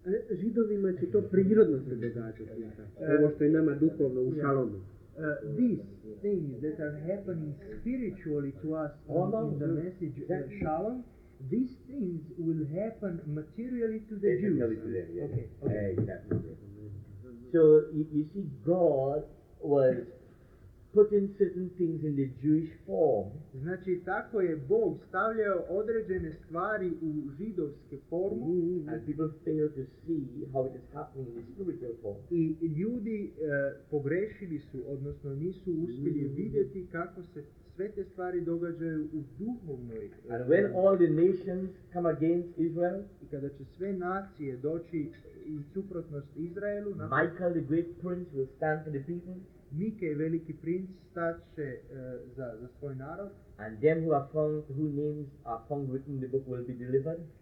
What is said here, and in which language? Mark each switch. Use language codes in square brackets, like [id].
[hr] Židovima će to prirodno se događati. Ovo što je nama duhovno u Šalomu. [en] These things that are happening spiritually to us in the message Shalom, these things will happen materially to the Jews. Materially to them, yes. Okay. Exactly. So you see, God was putting certain things in the Jewish form. [hr] Znači tako je Bog stavljao određene stvari u židovske formu, [en] and people fail to see how it is happening in the spiritual form. [hr] I ljudi pogrešili su, odnosno nisu uspjeli vidjeti kako se sve te stvari događaju u duhovnoj. [en] And when all the nations come against Israel, [hr] i kada će sve nacije doći u suprotnost Izraelu, [en] Michael the great prince will stand for the people. [hr] Mike veliki princ staće za svoj narod. [en] And them who are found, who names are found written in the book will be delivered.